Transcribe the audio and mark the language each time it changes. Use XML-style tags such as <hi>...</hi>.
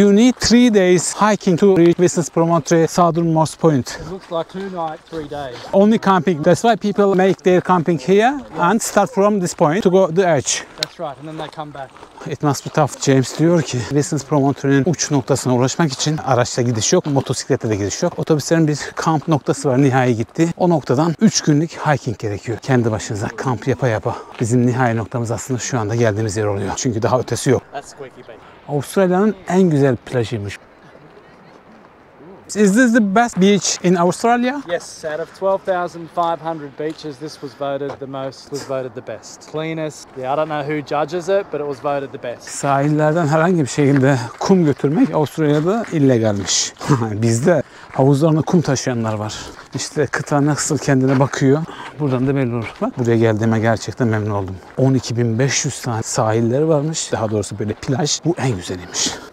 <en>You need 3 days hiking to reach Western Promontory Southernmost Point. It looks like 2 nights, 3 days. Only camping. That's why people make their camping here, yes, and start from this point to go the edge. That's right, and then they come back. It must be tough.</en> <tr>James diyor ki Western Promontory'nin uç noktasına ulaşmak için araçla gidiş yok, motosikletle de gidiş yok. Otobüslerin bir kamp noktası var, nihai gitti. O noktadan 3 günlük hiking gerekiyor. Kendi başınıza kamp yapa yapa. Bizim nihai noktamız aslında şu anda geldiğimiz yer oluyor. Çünkü daha ötesi yok.</tr> <en>That's squeaky bay.</en> <tr>Avustralya'nın en güzel plajıymış.</tr> <en>Is this the best beach in Australia? Yes, out of 12,500 beaches, this was voted the most, was voted the best. Cleanest. Yeah, I don't know who judges it, but it was voted the best.</en> <tr>Sahillerden herhangi bir şekilde kum götürmek Avustralya'da illegalmiş. Bizde havuzlarına kum taşıyanlar var. İşte kıta nasıl kendine bakıyor. Buradan da belli olur. Bak, buraya geldiğime gerçekten memnun oldum. 12.500 tane sahilleri varmış. Daha doğrusu böyle plaj. Bu en güzeliymiş.</tr>